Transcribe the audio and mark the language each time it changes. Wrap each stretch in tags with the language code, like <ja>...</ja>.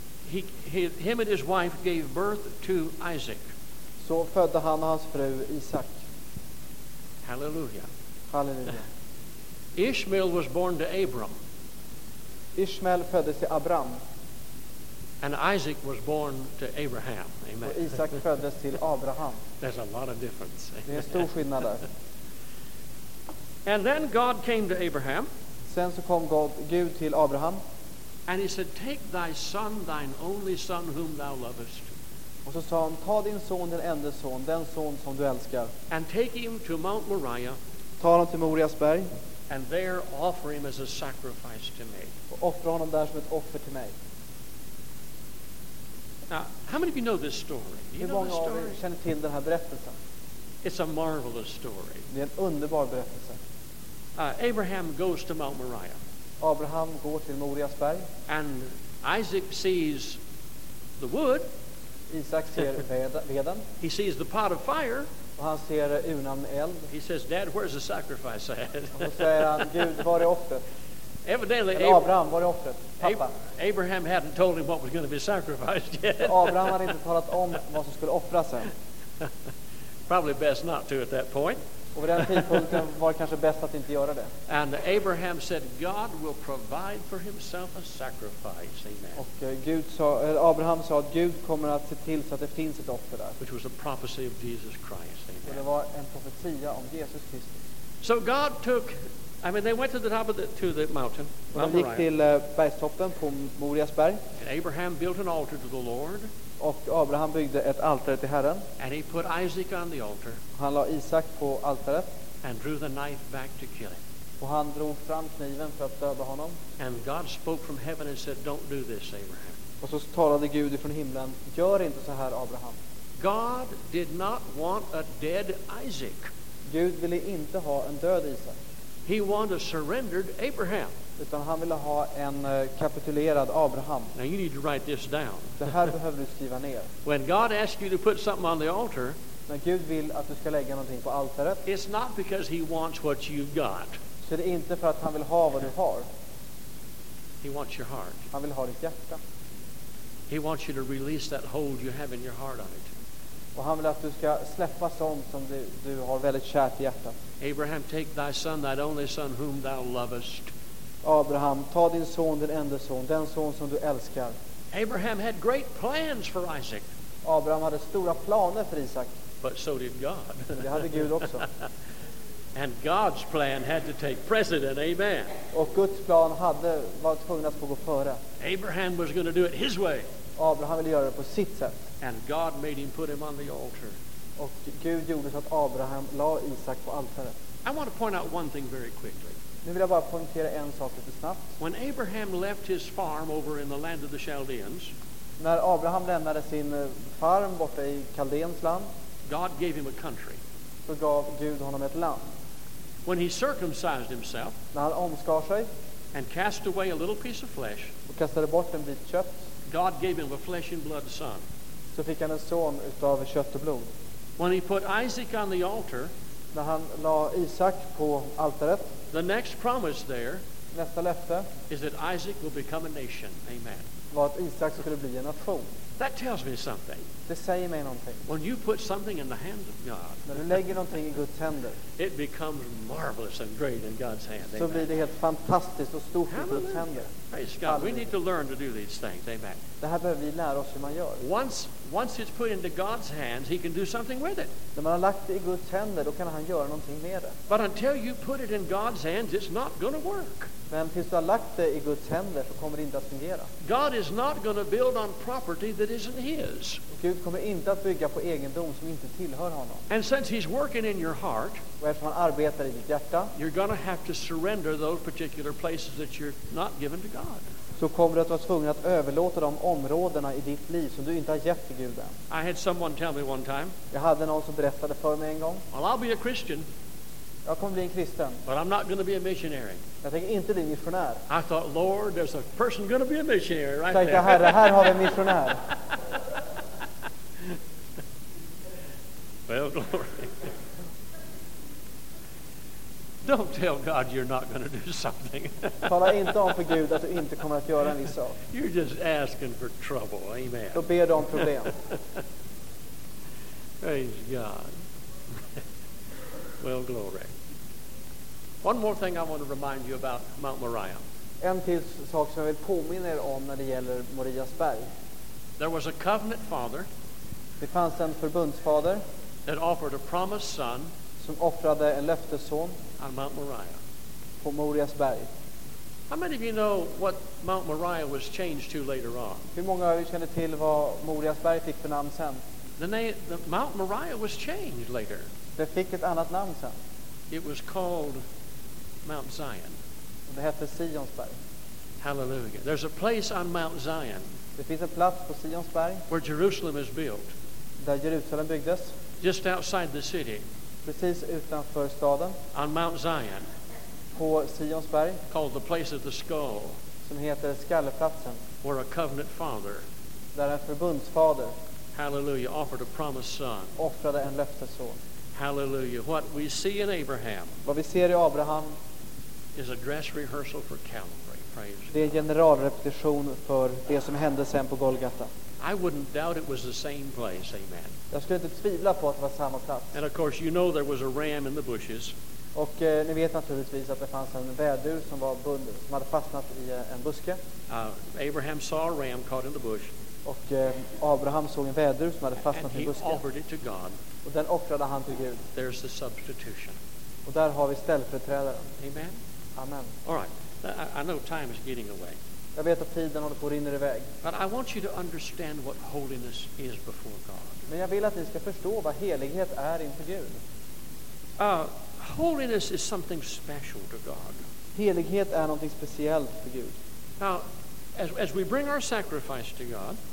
<en>Him and his wife gave birth to Isaac.</en> <sv>Så födde han och hans fru Isak. Halleluja. Halleluja.</sv> <en>Ishmael was born to Abram.</en> <sv>Ishmael föddes till Abram.</sv> <en>And Isaac was born to Abraham. Amen.</en> <sv>Och Isak föddes till Abraham.</sv> <en>There's a lot of difference.</en> <sv>Det är en stor skillnad där.</sv> <en>And then God came to Abraham.</en> <sv>Sen så kom Gud till Abraham.</sv> <en>And he said, "Take thy son, thine only son, whom thou lovest."</en> <sv>Och så sa han, ta din son, den enda son, den son som du älskar.</sv> <en>And take him to Mount Moriah.</en> <sv>Ta honom till Morias berg.</sv> <en>And there offer him as a sacrifice to me.</en> <sv>Och offra honom där som ett offer till mig.</sv> <en>Now, how many of you know this story?</en> <sv>Hur många av er känner till den här berättelsen?</sv> <en>It's a marvelous story.</en> <sv>Det är en underbar berättelse.</sv> <en>Abraham goes to Mount Moriah.</en> <sv>Abraham går till Morias berg.</sv> <en>And Isaac sees the wood.</en> <sv>Isaac ser veden.</sv> <en>He sees the pot of fire.</en> <sv>Och han ser urnan med eld.</sv> <en>He says, "Dad, where's the sacrifice at?"</en> <sv>Och då säger han, "Gud, var är offret?"</sv> <en>Evidently,</en> <sv>Abraham, var är offret? Pappa.</sv> <en>Abraham hadn't told him what was going to be sacrificed yet.</en> <sv>Abraham hade inte talat om vad som skulle offras än.</sv> <en>Probably best not to at that point.</en> <sv>Och vid den tidpunkten var det kanske bäst att inte göra det.</sv> <en>And Abraham said, "God will provide for himself a sacrifice." Amen.</en> <sv>Och Gud sa, Abraham sa att Gud kommer att se till så att det finns ett offer där.</sv> <en>Which was a prophecy of Jesus Christ. Amen.</en> <sv>Och det var en profetia om Jesus Kristus.</sv> <en>So God took, I mean, they went to the top of the to the mountain.</en> <sv>De gick till bergstoppen på Morias berg.</sv> <en>And Abraham built an altar to the Lord.</en> <sv>Och Abraham byggde ett altare till Herren.</sv> <en>And he put Isaac on the altar.</en> <sv>Han la Isak på altaret.</sv> <en>And drew the knife back to kill him.</en> <sv>Och han drog fram kniven för att döda honom.</sv> <en>And God spoke from heaven and said, "Don't do this, Abraham."</en> <sv>Och så talade Gud ifrån himlen, "Gör inte så här, Abraham."</sv> <en>God did not want a dead Isaac.</en> <sv>Gud ville inte ha en död Isak.</sv> <en>He wanted a surrendered Abraham.</en> <sv>Utan han ville ha en kapitulerad Abraham.</sv> <en>Now you need to write this down.</en> <sv>Det här behöver du skriva ner.</sv> <en>When God asks you to put something on the altar,</en> <sv>när Gud vill att du ska lägga någonting på altaret,</sv> <en>it's not because he wants what you've got.</en> <sv>Så det är inte för att han vill ha vad du har.</sv> <en>He wants your heart.</en> <sv>Han vill ha ditt hjärta.</sv> <en>He wants you to release that hold you have in your heart on it.</en> <sv>Och han vill att du ska släppa sånt som du har väldigt kärt i hjärtat.</sv> <en>Abraham, take thy son, thy only son, whom thou lovest.</en> <sv>Abraham, ta din son, din enda son, den son som du älskar.</sv> <en>Abraham had great plans for Isaac.</en> <sv>Abraham hade stora planer för Isak.</sv> <en>But so did God.</en> <sv>Det hade Gud också.</sv> <en>And God's plan had to take precedent. Amen.</en> <sv>Och Guds plan hade varit tvungen att få gå före.</sv> <en>Abraham was going to do it his way.</en> <sv>Abraham ville göra det på sitt sätt.</sv> <en>And God made him put him on the altar.</en> <sv>Och Gud gjorde så att Abraham la Isak på altaret.</sv> <en>I want to point out one thing very quickly.</en> <sv>Nu vill jag bara poängtera en sak lite snabbt.</sv> <en>When Abraham left his farm over in the land of the Chaldeans,</en> <sv>när Abraham lämnade sin farm borta i Kaldéns land,</sv> <en>God gave him a country.</en> <sv>Så gav Gud honom ett land.</sv> <en>When he circumcised himself,</en> <sv>när han omskar sig,</sv> <en>and cast away a little piece of flesh,</en> <sv>och kastade bort en bit kött,</sv> <en>God gave him a flesh and blood son.</en> <sv>Så fick han en son utav kött och blod.</sv> <en>When he put Isaac on the altar,</en> <sv>när han la Isak på altaret,</sv> <en>the next promise there,</en> <sv>nästa löfte,</sv> <en>is that Isaac will become a nation. Amen.</en> <sv>Var att Isak skulle bli en nation.</sv> <en>That tells me something.</en> <sv>Det säger mig någonting.</sv> <en>When you put something in the hand of God,</en> <sv>när du lägger någonting i Guds händer,</sv> <en>it becomes marvelous and great in God's hand.</en> <sv>Så blir det helt fantastiskt och stort i Guds händer.</sv> <en>Praise God. We need to learn to do these things. Amen.</en> <sv>Det här behöver vi lära oss hur man gör.</sv> <en>Once it's put into God's hands, he can do something with it.</en> <sv>När man har lagt det i Guds händer, då kan han göra någonting med det.</sv> <en>But until you put it in God's hands, it's not going to work.</en> <sv>Men tills du har lagt det i Guds händer, så kommer det inte att fungera.</sv> <en>God is not going to build on property that isn't his.</en> <sv>Gud kommer inte att bygga på egendom som inte tillhör honom.</sv> <en>And since he's working in your heart,</en> <sv>och eftersom han arbetar i ditt hjärta,</sv> <en>you're going to have to surrender those particular places that you're not given to God.</en> <sv>Så kommer du att vara tvungen att överlåta de områdena i ditt liv som du inte har gett till Gud än.</sv> <en>I had someone tell me one time.</en> <sv>Jag hade någon som berättade för mig en gång.</sv> <en>Well, I'll be a Christian.</en> <sv>Jag kommer bli en kristen.</sv> <en>But I'm not going to be a missionary.</en> <sv>Jag tänker inte bli missionär.</sv> <en>I thought, Lord, there's a person going to be a missionary right</en> <sv>there. Tänkte, Herre, här har vi en missionär.</sv> <en>Well, glory. Don't tell God you're not going to do something.</en> <sv>Tala inte om för Gud att du inte kommer att göra en viss sak.</sv> <en>You're just asking for trouble. Amen.</en> <sv>Då ber du om problem.</sv> <en>Praise God. Well, glory. One more thing I want to remind you about Mount Moriah.</en> <sv>En till sak som jag vill påminna er om när det gäller Morias berg.</sv> <en>There was a covenant father.</en> <sv>Det fanns en förbundsfader.</sv> <en>That offered a promised son.</en> <sv>Som offrade en löftesson.</sv> <en>On Mount Moriah.</en> <sv>På Morias berg.</sv> <en>How many of you know what Mount Moriah was changed to later on?</en> <sv>Hur många av er känner till vad Morias berg fick för namn sen?</sv> <en>The Mount Moriah was changed later.</en> <sv>Det fick ett annat namn sen.</sv> <en>It was called Mount Zion.</en> <sv>Det hette Sions berg.</sv> <en>Hallelujah. There's a place on Mount Zion.</en> <sv>Det finns en plats på Sions berg.</sv> <en>Where Jerusalem is built.</en> <sv>Där Jerusalem byggdes.</sv> <en>Just outside the city.</en> <sv>Precis utanför staden.</sv> <en>On Mount Zion.</en> <sv>På Sions berg.</sv> <en>Called the place of the skull.</en> <sv>Som heter skalleplatsen.</sv> <en>Where a covenant father.</en> <sv>Där en förbundsfader.</sv> <en>Hallelujah. Offered a promised son.</en> <sv>Offrade en löftesson.</sv> <en>Hallelujah. What we see in Abraham.</en> <sv>Vad vi ser i Abraham.</sv> <en>Is a dress rehearsal for Calvary. Praise.</en> <sv>Det är generalrepetition för det som hände sen på Golgata.</sv> <en>I wouldn't doubt it was the same place. Amen.</en> <sv>Jag skulle inte tvivla på att det var samma plats.</sv> <en>And of course you know there was a ram in the bushes.</en> <sv>Och ni vet naturligtvis att det fanns en vädur som var bunden, som hade fastnat i en buske.</sv> <en>Abraham saw a ram caught in the bush.</en> <sv>Och Abraham såg en vädur som hade fastnat i en buske.</sv> <en>And he offered it to God.</en> <sv>Och den offrade han till Gud.</sv> <en>There's the substitution.</en> <sv>Och där har vi ställföreträdaren. Amen. Amen.</sv> <en>All right. I know time is getting away.</en> <sv>Jag vet att tiden håller på att rinna iväg.</sv> <en>But I want you to understand what holiness is before God.</en> <sv>Men jag vill att ni ska förstå vad helighet är inför Gud.</sv> <en>Holiness is something special to God.</en> <sv>Helighet är någonting speciellt för Gud.</sv> <en>Now, as we bring our sacrifice to God,</en>